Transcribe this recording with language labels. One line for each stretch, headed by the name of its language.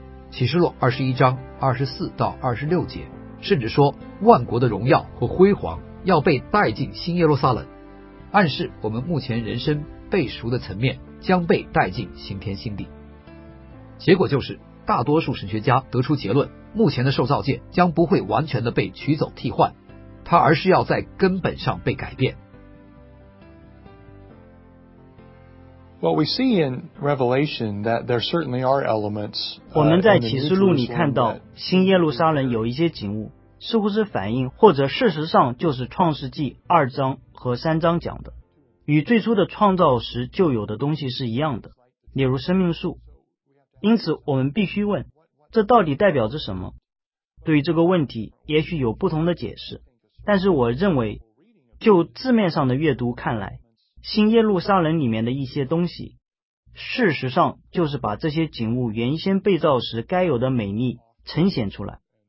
Chinese: 启示录21:24-26甚至说万国的荣耀和辉煌要被带进新耶路撒冷，暗示我们目前人生被赎的层面将被带进新天新地。结果就是大多数神学家得出结论，目前的受造界将不会完全的被取走替换，它而是要在根本上被改变。
English: What we see in Revelation that there certainly are elements,
Chinese: 我们在启示录里看到新耶路撒冷有一些景物似乎是反映或者事实上就是创世纪2:3讲的，与最初的创造时就有的东西是一样的，例如生命树。因此我们必须问，这到底代表着什么？对于这个问题也许有不同的解释，但是我认为就字面上的阅读看来，新耶路撒冷里面的一些东西事实上就是把这些景物原先被造时该有的美丽呈现出来。